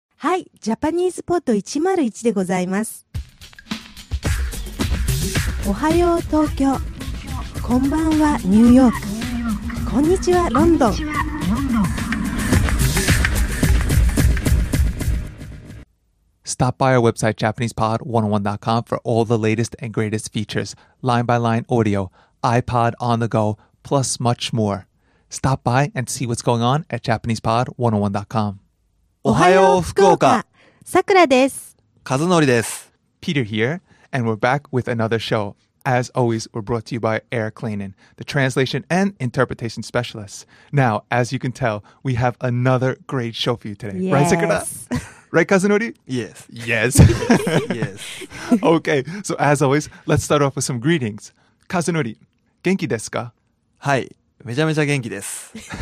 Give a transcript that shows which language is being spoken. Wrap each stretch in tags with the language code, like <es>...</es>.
<ja>はい、ジャパニーズポット101でございます。おはよう東京、こんばんはニューヨーク、こんにちはロンドン。</ja> <en>Stop by our website, JapanesePod101.com for all the latest and greatest features, line-by-line audio, iPod on the go, plus much more. Stop by and see what's going on at JapanesePod101.com.</en> <ja>おはよう福岡。さくらです。かずのりです。</ja> <en>Peter here, and we're back with another show. As always, we're brought to you by Air Cleaning, the translation and interpretation specialists. Now, as you can tell, we have another great show for you today. Yes. Right, Sakura? Right, Kazunori? Yes. Yes. Yes. Okay, so as always, let's start off with some greetings.</en> <ja>Kazunori, genki desu ka? はい、めちゃめちゃ元気です。</ja>